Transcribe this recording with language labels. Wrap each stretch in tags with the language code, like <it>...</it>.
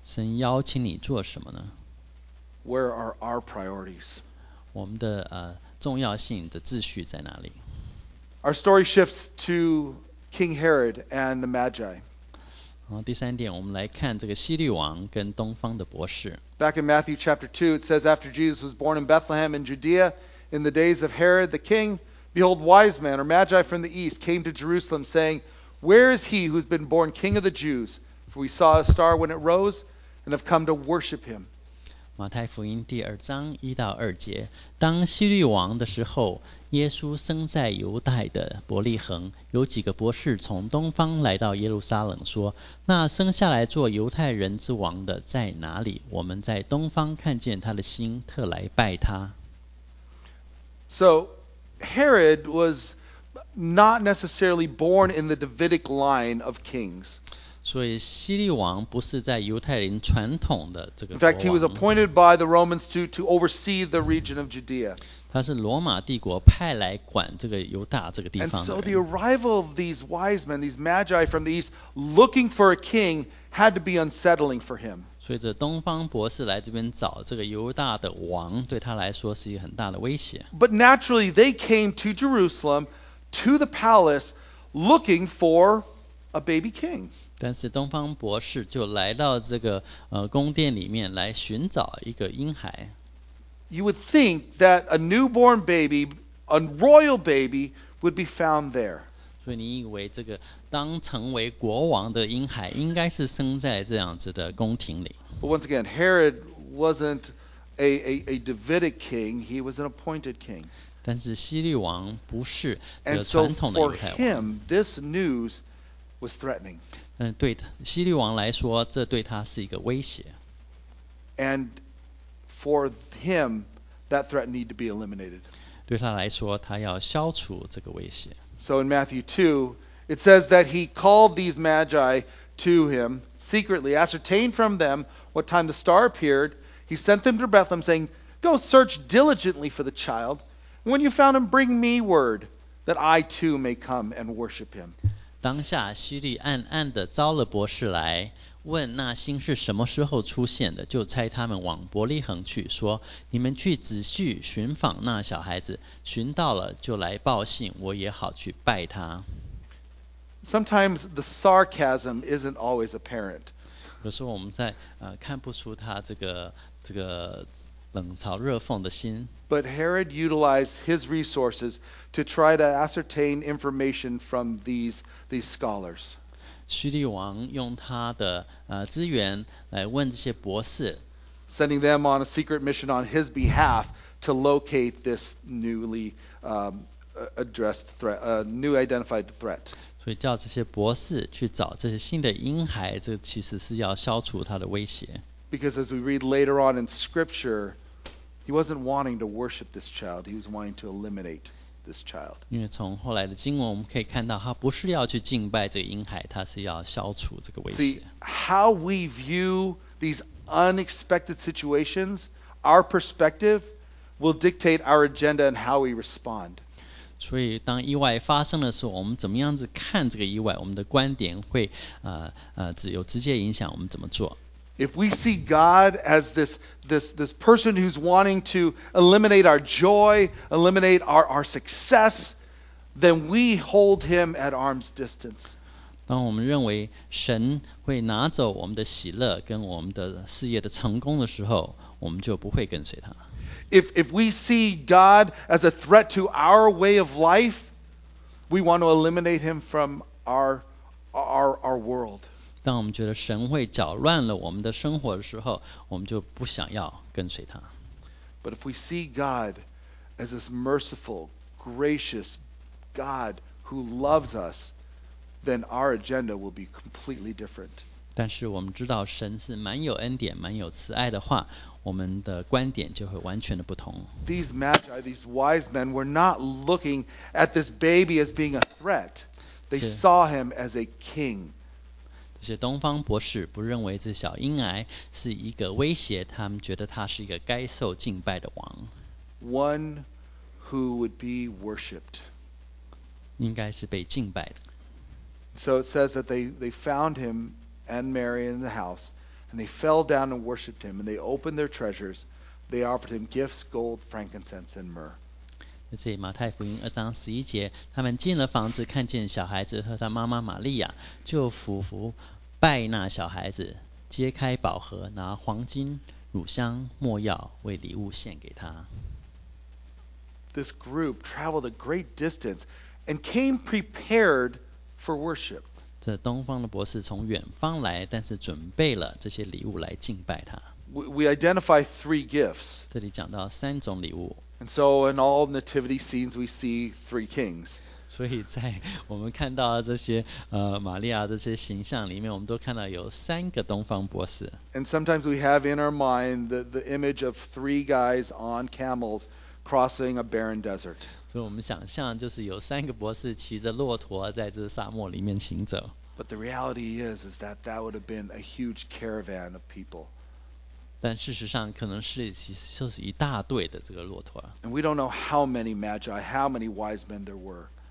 <zh>神邀请你做什么呢</zh> <en>Where are our priorities?</en> <zh>我们的重要性的秩序在哪里</zh> <en>Our story shifts to King Herod and the Magi.</en> <zh>然后第三点，我们来看这个希律王跟东方的博士。</zh> <en>Back in Matthew chapter 2, it says, After Jesus was born in Bethlehem in Judea, in the days of Herod the king, behold, wise men or magi from the east came to Jerusalem, saying, Where is he who has been born king of the Jews? For we saw a star when it rose, and have come to worship him.</en> <zh>马太福音第二章一到二节，当希律王的时候，耶稣生在犹太的伯利恒，有几个博士从东方来到耶路撒冷，说：“那生下来做犹太人之王的在哪里？我们在东方看见他的心，特来拜他。”</zh> <en>So, Herod was not necessarily born in the Davidic line of kings.</en> <zh>所以希律王不是在犹太人传统的这个国王。</zh> <en>In fact, he was appointed by the Romans to oversee the region of Judea.</en> <zh>他是罗马帝国派来管这个犹大这个地方的人。</zh> <en>And so the arrival of these wise men, these magi from the east, looking for a king, had to be unsettling for him.</en> <zh>所以这东方博士来这边找这个犹大的王，对他来说是一个很大的威胁。</zh> <en>But naturally, they came to Jerusalem, to the palace, looking for a baby king.</en> <zh>但是东方博士就来到这个宫殿里面来寻找一个婴孩。</zh> <en>You would think that a newborn baby, a royal baby, would be found there.</en> <zh>所以你以为这个当成为国王的婴孩应该是生在这样子的宫廷里。</zh> <en>But once again, Herod wasn't a Davidic king, he was an appointed king.</en> <zh>但是希律王不是传统的犹太王。</zh> <en>And so for him, this news was threatening.</en> <zh>对希律王来说这对他是一个威胁。</zh> <en>And for him, that threat need to be eliminated.</en> <zh>对他来说，他要消除这个威胁。</zh> <en>So in Matthew 2, it says that he called these magi to him secretly, ascertained from them what time the star appeared. He sent them to Bethlehem, saying, Go search diligently for the child. When you found him, bring me word that I too may come and worship him.</en> <zh>当下希律暗暗地召了博士来问那星是什么时候出现的，就差他们往伯利恒去，说：“你们去仔细寻访那小孩子，寻到了就来报信，我也好去拜他。”</zh> <en>Sometimes the sarcasm isn't always apparent.</en> <zh>有时候我们在看不出他这个冷嘲热讽的心。</zh> <en>But Herod utilized his resources to try to ascertain information from these scholars.</en> <zh>希律王用他的资源来问这些博士</zh> <en>sending them on a secret mission on his behalf to locate this newly addressed threat, a new identified threat.</en> <zh>所以叫这些博士去找这些新的婴孩，这其实是要消除他的威胁。</zh> <en>Because as we read later on in Scripture, he wasn't wanting to worship this child; he was wanting to eliminate. This child.</en> <zh>因为从后来的经文我们可以看到他不是要去敬拜这个婴孩他是要消除这个威胁</zh> <en>See, how we view these unexpected situations our perspective will dictate our agenda and how we respond</en> <zh>所以当意外发生的时候我们怎么样子看这个意外我们的观点会有直接影响我们怎么做</zh> <en>If we see God as this person who's wanting to eliminate our joy, eliminate our success, then we hold him at arm's distance.</en> <zh>当我们认为神会拿走我们的喜乐跟我们的事业的成功的时候，我们就不会跟随他。</zh> <en>If we see God as a threat to our way of life, we want to eliminate him from our world.</en> <zh>当我们觉得神会搅乱了我们的生活的时候，我们就不想要跟随他。</zh> <en>But if we see God as this merciful, gracious God who loves us, then our agenda will be completely different.</en> <zh>但是我们知道神是满有恩典、满有慈爱的话，我们的观点就会完全的不同。</zh> <en>These magi, these wise men, were not looking at this baby as being a threat. They saw him as a king.</en> <zh>这些东方博士不认为这小婴孩是一个威胁，他们觉得他是一个该受敬拜的王。</zh> <en>One who would be worshipped.</en> <zh>应该是被敬拜的。</zh> <en>So it says that they found him and Mary in the house, and they fell down and worshipped him, and they opened their treasures. They offered him gifts, gold, frankincense, and myrrh.</en> <zh>在这里马太福音二章十一节，他们进了房子，看见小孩子和他妈妈玛利亚，就俯伏拜那小孩子，揭开宝盒，拿黄金、乳香、末药为礼物献给他。</zh> <en>This group traveled a great distance and came prepared. For worship.</en> <zh>这东方的博士从远方来，但是准备了这些礼物来敬拜他。</zh> <en>We identify three gifts.</en> <zh>这里讲到三种礼物。</zh> <en>And so in all nativity scenes, we see three kings.</en> <zh>所以在我们看到这些玛利亚这些形象里面，我们都看到有三个东方博士。</zh> <en>And sometimes we have in our mind the image of three guys on camels crossing a barren desert.</en> <zh>所以我们想象就是有三个博士骑着骆驼在这沙漠里面行走。</zh> <en>But the reality is that that would have been a huge caravan of people.</en> <zh>但事实上可能是就是一大队的这个骆驼。</zh> <en>And we don't know how many magi, how many wise men there were.</en>